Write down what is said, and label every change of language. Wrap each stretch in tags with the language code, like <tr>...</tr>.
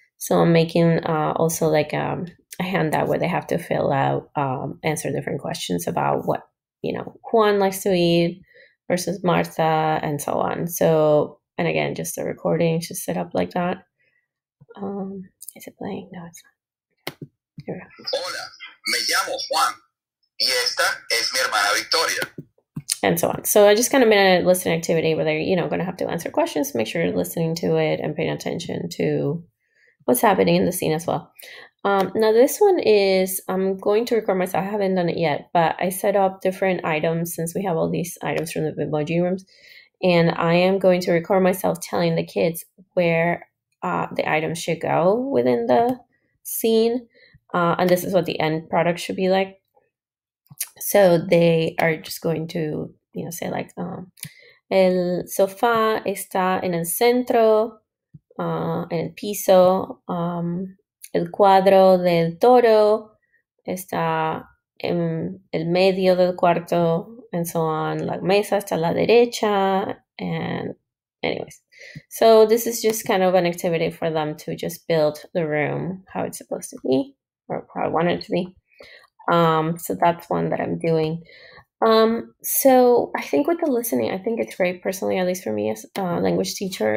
<en>So I'm making also like a handout where they have to fill out, answer different questions about what, you know, Juan likes to eat versus Martha and so on. So, and again, just the recording should set up like that. Is it playing? No, it's not. Here we go.</en> <es>Hola, me llamo Juan y esta es mi hermana Victoria.</es> <en>And so on. So I just kind of made a listening activity where they're, you know, going to have to answer questions, make sure you're listening to it and paying attention to what's happening in the scene as well. Now this one is, I'm going to record myself. I haven't done it yet, but I set up different items since we have all these items from the Bitmoji rooms. And I am going to record myself telling the kids where the items should go within the scene. And this is what the end product should be like. So they are just going to, you know, say like,</en> <es>el sofá está en el centro, en el piso, el cuadro del toro está en el medio del cuarto,</es> <en>and so on,</en> <es>la mesa está a la derecha,</es> <en>and anyways. So this is just kind of an activity for them to just build the room how it's supposed to be, or how I want it to be. So that's one that I'm doing. So I think with the listening, I think it's great personally, at least for me as a language teacher.</en>